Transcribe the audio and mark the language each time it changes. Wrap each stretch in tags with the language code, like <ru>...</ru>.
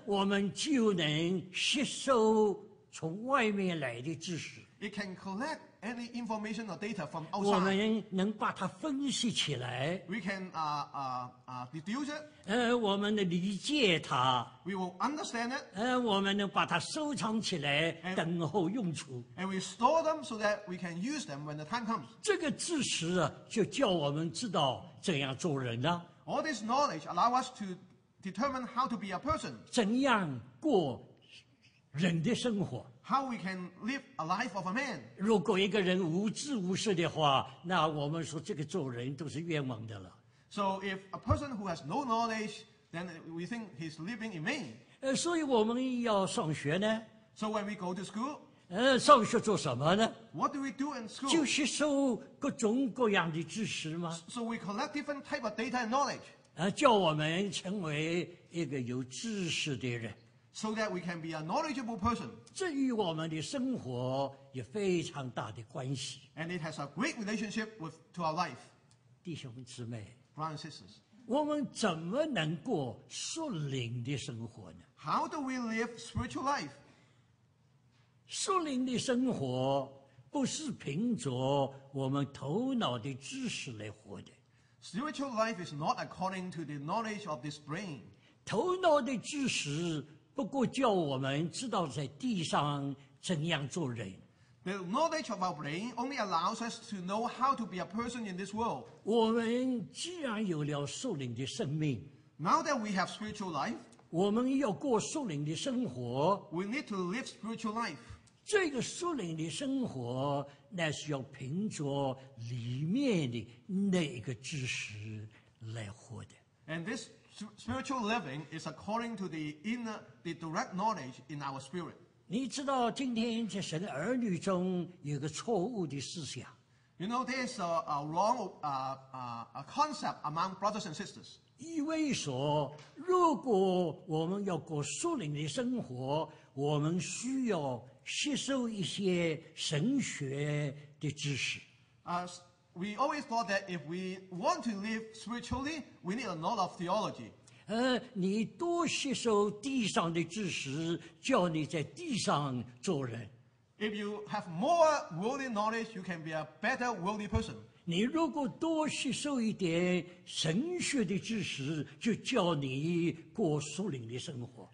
<zh>我们就能吸收从外面来的知识。</zh> <en>It can collect any information or data from outside.</en> <zh>我们能把它分析起来。</zh> <en>We can deduce it.</en> <zh>我们能理解它。</zh> <en>We will understand it.</en> <zh>我们能把它收藏起来，等候用处。</zh> <en>And we store them so that we can use them when the time comes.</en> <zh>这个知识啊，就叫我们知道怎样做人了。</zh> <en>All this knowledge allow us to determine how to be a person.</en> <zh>怎样过人的生活？</zh> <en>How we can live a life of a man?</en> <zh>如果一个人无知无识的话，那我们说这个做人都是冤枉的了。</zh> <en>So if a person who has no knowledge, then we think he's living in vain.</en> <zh>所以我们要上学呢。</zh> <en>So when we go to school,</en> <zh>上学做什么呢？</zh> <en>What do we do in school?</en> <zh>就吸收各种各样的知识吗？</zh> <en>So we collect different type of data and knowledge.</en> <zh>叫我们成为一个有知识的人</zh> <en>，so that we can be a knowledgeable person。</en> <zh>这与我们的生活有非常大的关系。</zh> <en>And it has a great relationship with to our life。</en> <zh>弟兄姊妹</zh> <en>，brothers and sisters，</en> <zh>我们怎么能过属灵的生活呢</zh> <en>？How do we live spiritual life？</en> <zh>属灵的生活不是凭着我们头脑的知识来活的。</zh> <en>Spiritual life is not according to the knowledge of this brain.</en> <zh>头脑的知识不过叫我们知道在地上怎样做人。</zh> <en>The knowledge of our brain only allows us to know how to be a person in this world.</en> <zh>我们既然有了属灵的生命</zh> <en>，Now that we have spiritual life，</en> <zh>我们要过属灵的生活。</zh> <en>We need to live spiritual life.</en> <zh>这个属灵的生活。那是要凭着里面的那一个知识来活的。</zh> <en>And this spiritual living is according to the inner, the direct knowledge in our spirit.</en> <zh>你知道今天在神的儿女中有个错误的思想。</zh> <en>You know there is a wrong a concept among brothers and sisters.</en> <zh>以为说，如果我们要过属灵的生活，我们需要。吸收一些神学的知识。</zh> <en>We always thought that if we want to live spiritually, we need a lot of theology.</en> <zh>你多吸收地上的知识，叫你在地上做人。</zh> <en>If you have more worldly knowledge, you can be a better worldly person.</en> <zh>你如果多吸收一点神学的知识，就叫你过属灵的生活。</zh>